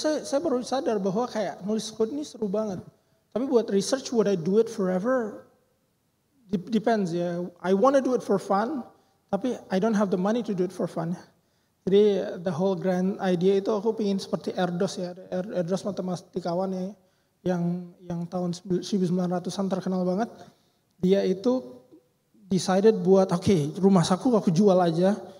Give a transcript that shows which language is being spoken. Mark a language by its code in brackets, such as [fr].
[id] Saya baru sadar bahwa kayak nulis code ini seru banget. Tapi buat [en] research, would I do it forever? Depends ya. Yeah. I wanna do it for fun, [id] tapi [en] I don't have the money to do it for fun. [id] Jadi [en] the whole grand idea [id] itu aku pengen seperti Erdos ya, Erdos matematikawan ya, yang tahun 1900-an terkenal banget. Dia itu [en] decided [id] buat, okay, rumah saku aku jual aja.